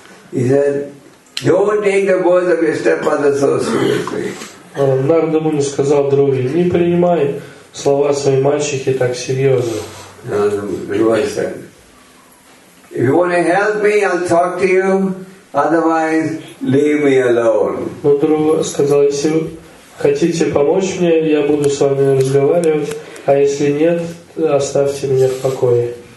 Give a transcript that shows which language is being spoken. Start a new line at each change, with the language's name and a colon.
English: He said, "Don't take the words of your stepmother so seriously."
Russian: Narada Muni сказал Друве, "Не принимай слова своей мальчихи так серьезно."
English: Druva said, "If you want to help me, I'll talk to you. Otherwise, leave me alone."
Russian: Но Друва сказал, "Если вы хотите помочь мне, я буду с вами разговаривать, а если нет, оставьте меня в покое."